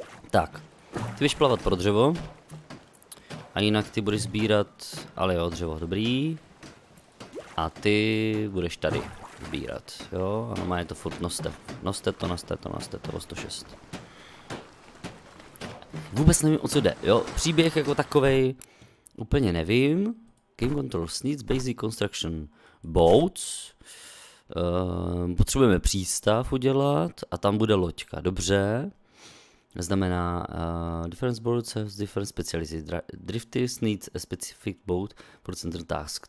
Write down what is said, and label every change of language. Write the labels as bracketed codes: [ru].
[cs] Tak, ty budeš plavat pro dřevo. A jinak ty budeš sbírat, ale jo, dřevo, dobrý. A ty budeš tady sbírat, jo, ano, má je to furt, noste to, 106. Vůbec nevím, o co jde, jo, příběh jako takovej, úplně nevím. [en] Game Controls needs basic construction boats. [cs] Potřebujeme přístav udělat a tam bude loďka, dobře. Znamená [en] different boats have different specialties. Drifters need a specific boat for certain task.